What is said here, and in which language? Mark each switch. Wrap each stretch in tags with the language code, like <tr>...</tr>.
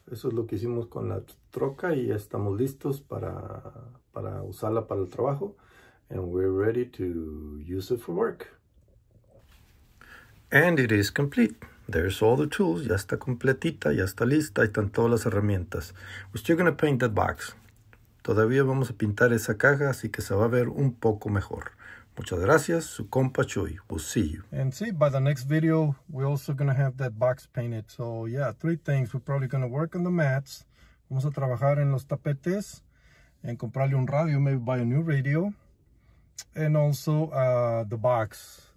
<es>Eso es lo que hicimos con la troca y ya estamos listos para usarla para el trabajo.</es> <en>And we're ready to use it for work. And it is complete. There's all the tools.</en> <es>Ya está completita, ya está lista. Ahí están todas las herramientas.</es> <en>We're still gonna paint that box.</en> <es>Todavía vamos a pintar esa caja, así que se va a ver un poco mejor. Muchas gracias, su compa Chuy.</es> <en>We'll see you. And see, by the next video, we're also gonna have that box painted. So yeah, three things. We're probably gonna work on the mats.</en> <es>Vamos a trabajar en los tapetes.</es> <en>And</en> <es>comprarle un radio,</es> <en>maybe buy a new radio. And also the box.</en>